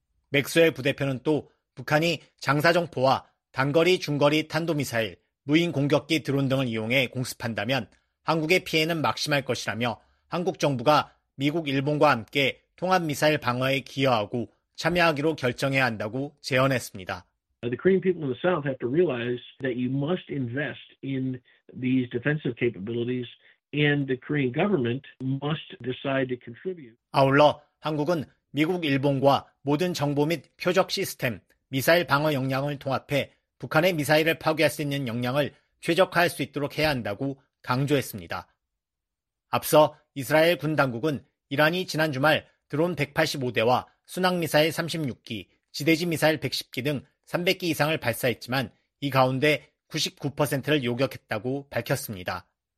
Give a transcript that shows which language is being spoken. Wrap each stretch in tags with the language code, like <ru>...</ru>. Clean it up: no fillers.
<ko>맥스웰 부대표는 또 북한이 장사정포와 단거리, 중거리, 탄도미사일, 무인 공격기 드론 등을 이용해 공습한다면 한국의 피해는 막심할 것이라며 한국 정부가 미국, 일본과 함께 통합미사일 방어에 기여하고 참여하기로 결정해야 한다고 제언했습니다.</ko> <en>The Korean people in the South have to realize that you must invest in these defensive capabilities and the Korean government must decide to contribute.</en> <ko>아울러 한국은 미국, 일본과 모든 정보 및 표적 시스템, 미사일 방어 역량을 통합해 북한의 미사일을 파괴할 수 있는 역량을 최적화할 수 있도록 해야 한다고 강조했습니다. 앞서 이스라엘 군 당국은 이란이 지난 주말 드론 185대와 순항미사일 36기, 지대지 미사일 110기 등 300기 이상을 발사했지만 이 가운데 99%를 요격했다고 밝혔습니다.</ko>